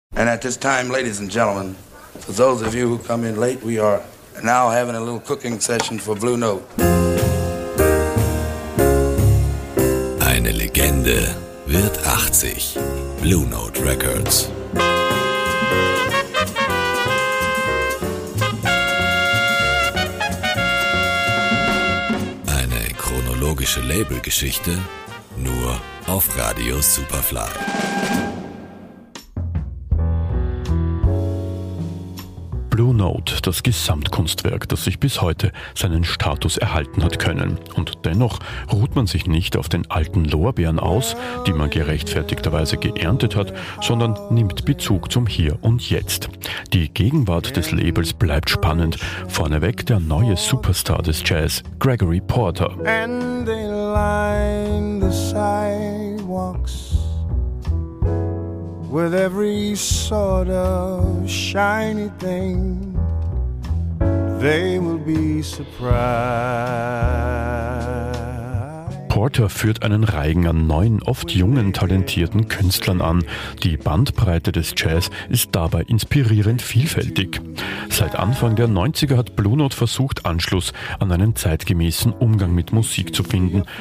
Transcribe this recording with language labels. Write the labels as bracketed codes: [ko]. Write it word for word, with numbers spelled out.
[en] And at this time, ladies and gentlemen, for those of you who come in late, we are now having a little cooking session for Blue Note. [de] Eine Legende wird achtzig. Blue Note Records. Eine chronologische Labelgeschichte nur auf Radio Superfly. Blue Note, das Gesamtkunstwerk, das sich bis heute seinen Status erhalten hat können. Und dennoch ruht man sich nicht auf den alten Lorbeeren aus, die man gerechtfertigterweise geerntet hat, sondern nimmt Bezug zum Hier und Jetzt. Die Gegenwart des Labels bleibt spannend. Vorneweg der neue Superstar des Jazz, Gregory Porter. [en] And they line the sidewalks with every sort of shiny thing, they will be surprised. [de] Porter führt einen Reigen an neuen, oft jungen, talentierten Künstlern an. Die Bandbreite des Jazz ist dabei inspirierend vielfältig. Seit Anfang der neunziger hat Blue Note versucht, Anschluss an einen zeitgemäßen Umgang mit Musik zu finden.